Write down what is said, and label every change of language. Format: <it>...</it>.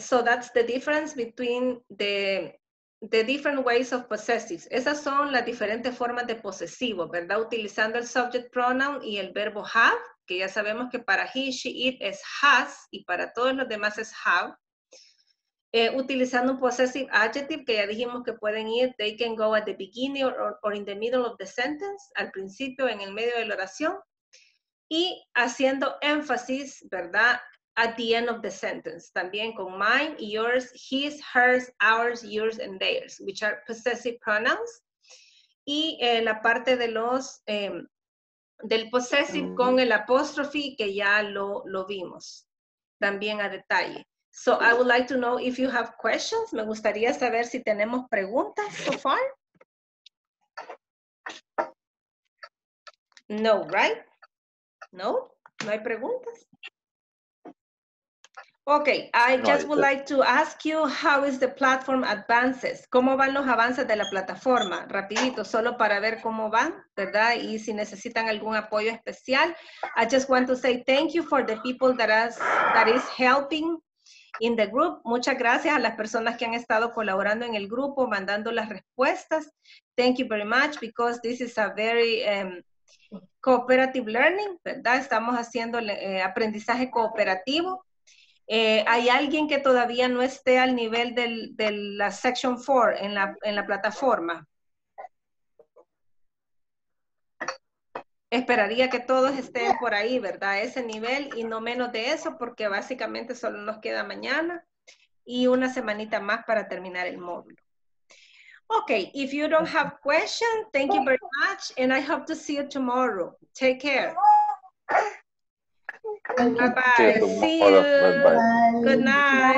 <en>So that's the difference between the different ways of possessives.</en> <es>Esas son las diferentes formas de posesivo, ¿verdad? Utilizando el subject pronoun y el verbo have, que ya sabemos que para he, she, it es has, y para todos los demás es have. Utilizando un</es> <en>possessive adjective,</en> <es>que ya dijimos que pueden ir,</es> <en>they can go at the beginning or in the middle of the sentence,</en> <es>al principio, en el medio de la oración, y haciendo énfasis, ¿verdad?,</es> <en>at the end of the sentence,</en> <es>también con</es> <en>mine, yours, his, hers, ours, yours, and theirs, which are possessive pronouns.</en> <es>Y la parte de los del possessive con el apostrophe, que ya lo vimos también a detalle.</es> <en>So I would like to know if you have questions.</en> <es>Me gustaría saber si tenemos preguntas</es> <en>so far.</en> <es>No,</es> <en>right?</en> <es>No, no hay preguntas.</es> <en>Okay, I just would like to ask you, how is the platform advances?</en> <es>¿Cómo van los avances de la plataforma? Rapidito, solo para ver cómo van, ¿verdad? Y si necesitan algún apoyo especial.</es> <en>I just want to say thank you for the people that is helping in the group.</en> <es>Muchas gracias a las personas que han estado colaborando en el grupo, mandando las respuestas.</es> <en>Thank you very much, because this is a very cooperative learning,</en> <es>¿verdad? Estamos haciendo aprendizaje cooperativo. ¿Hay alguien que todavía no esté al nivel de la Section 4 en la plataforma? Esperaría que todos estén por ahí, ¿verdad? Ese nivel, y no menos de eso, porque básicamente solo nos queda mañana y una semanita más para terminar el módulo.</es> <en>Okay, if you don't have questions, thank you very much, and I hope to see you tomorrow. Take care. Bye-bye. See you. Bye-bye. Good night.</en>